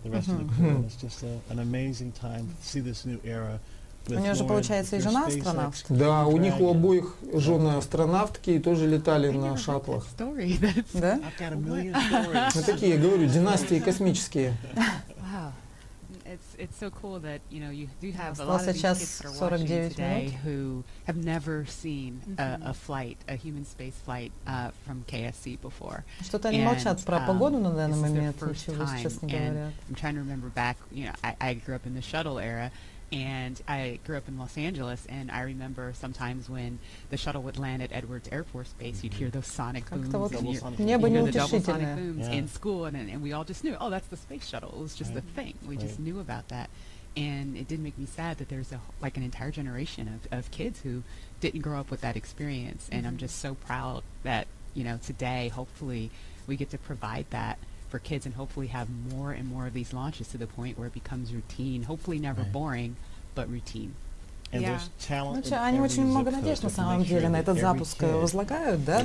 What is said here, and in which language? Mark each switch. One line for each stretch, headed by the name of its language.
Russian: У нее же, получается, и жена астронавт. Да, у них у обоих жены астронавтки и тоже летали на шаттлах. Да? Ну, такие, я говорю, династии космические.
English: It's so cool that, you know, you do have a lot of these kids that are watching today who have never seen a flight, a human space flight from KSC before.
Russian: Что-то они молчат про погоду на данный момент, ничего, честно говоря.
English: I'm trying to remember back, you know, I grew up in the shuttle era, and I grew up in Los Angeles, and I remember sometimes when the shuttle would land at Edwards Air Force Base, you'd hear those sonic booms,
Russian: Как-то вот
English: and you're,
Russian: небо
English: you know, the double sonic booms in school, and we all just knew, oh, that's the space shuttle, it was just a thing, we just knew about that, and it did make me sad that there's a, like an entire generation of kids who didn't grow up with that experience, and I'm just so proud that, you know, today, hopefully, we get to provide that for kids and hopefully have more and more of these launches to the point where it becomes routine, hopefully never boring, but routine.
Russian: Значит, они очень много надежд на самом деле на этот запуск возлагают, да?